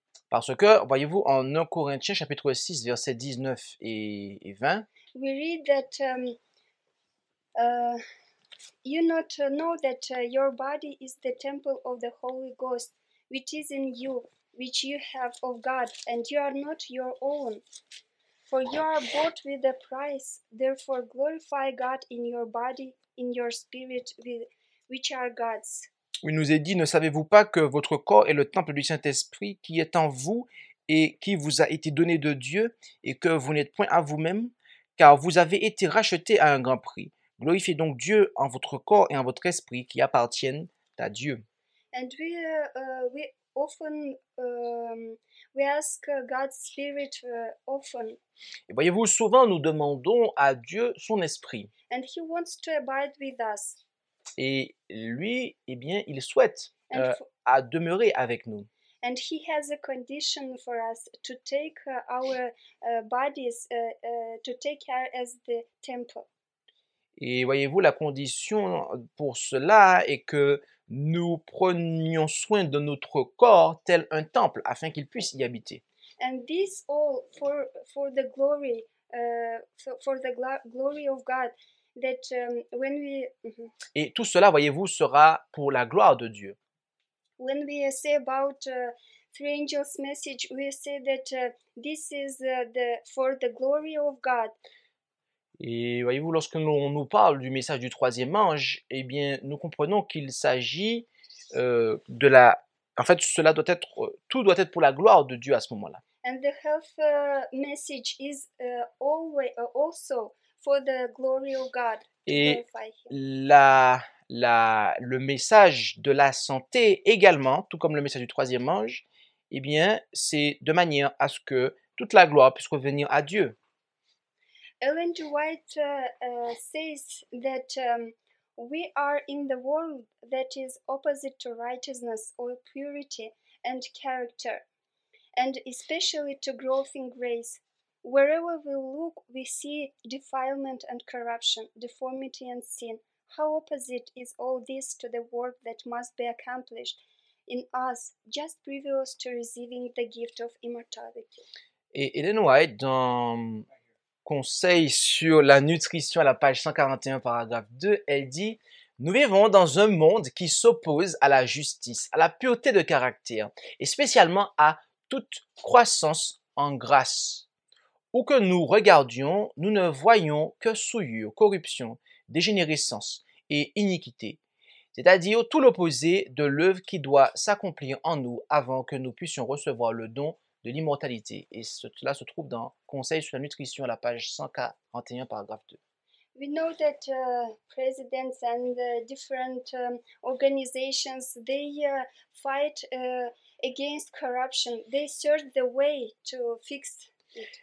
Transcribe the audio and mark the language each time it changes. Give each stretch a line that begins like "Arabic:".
French: Parce que, voyez-vous, en 1 Corinthiens chapitre 6, versets 19 et 20,
English: we read that you not know that your body is the temple of the Holy Ghost, which is in you, which you have of God, and you are not your own. For you are bought with a price, therefore glorify God in your body, in your spirit, which are God's.
French: Il nous est dit, ne savez-vous pas que votre corps est le temple du Saint-Esprit qui est en vous et qui vous a été donné de Dieu et que vous n'êtes point à vous-même, car vous avez été rachetés à un grand prix. Glorifiez donc Dieu en votre corps et en votre esprit qui appartiennent à Dieu.
English: And we often we ask God's spirit often.
French: Et voyez-vous, souvent nous demandons à Dieu son esprit.
English: And he wants to abide with us.
French: Et lui, eh bien, il souhaite à demeurer avec nous.
English: And he has a condition for us to take our bodies to take care as the temple.
French: Et voyez-vous, la condition pour cela est que nous prenions soin de notre corps tel un temple afin qu'il puisse y habiter.
English: And this all for the glory for the glory of God. That when we
French: et tout cela, voyez-vous, sera pour la gloire de Dieu. When we say about three angels' message, we say that this is the for the glory of God. Et voyez-vous, lorsque l'on nous parle du message du troisième ange, eh bien, nous comprenons qu'il s'agit de la. En fait, cela doit être tout doit être pour la gloire de Dieu à ce moment-là.
English: And the health message is always also. For the glory of God,
French: et le message de la santé également, tout comme le message du troisième ange, eh bien, c'est de manière à ce que toute la gloire puisse revenir à Dieu.
English: Ellen G. White says that we are in the world that is opposite to righteousness or purity and character, and especially to growth in grace. Wherever we look, we see defilement and corruption, deformity and sin. How opposite is all this to the work that must be accomplished in us, just previous to receiving the gift of immortality.
French: Et Ellen White, dans Conseil sur la nutrition à la page 141, paragraphe 2, elle dit « Nous vivons dans un monde qui s'oppose à la justice, à la pureté de caractère, et spécialement à toute croissance en grâce. » Où que nous regardions, nous ne voyons que souillure, corruption, dégénérescence et iniquité, c'est-à-dire tout l'opposé de l'œuvre qui doit s'accomplir en nous avant que nous puissions recevoir le don de l'immortalité. Et cela se trouve dans Conseil sur la nutrition à la page 141, paragraphe 2.
English: We know that presidents and different organizations, they fight against corruption. They search the way to fix it.